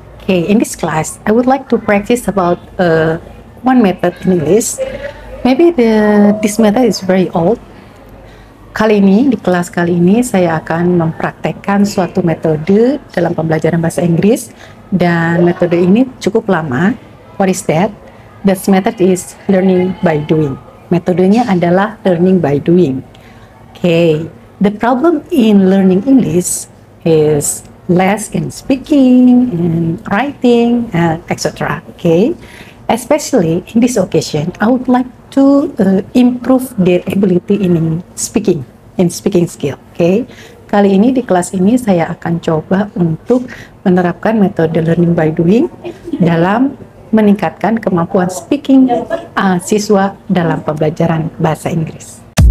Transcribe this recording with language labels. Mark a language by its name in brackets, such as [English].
[English] Okay, in this class, I would like to practice about one method in English. Maybe this method is very old. [Indonesian] Kali ini, di kelas kali ini, saya akan mempraktekkan suatu metode dalam pembelajaran bahasa Inggris. Dan metode ini cukup lama. [English] What is that? This method is learning by doing. [Indonesian] Metodenya adalah [English] learning by doing. Okay, the problem in learning English is less in speaking, in writing, etc. Okay, especially in this occasion, I would like to improve their ability in speaking skill. [Indonesian] Okay, kali ini di kelas ini saya akan coba untuk menerapkan metode learning by doing dalam meningkatkan kemampuan speaking siswa dalam pembelajaran bahasa Inggris.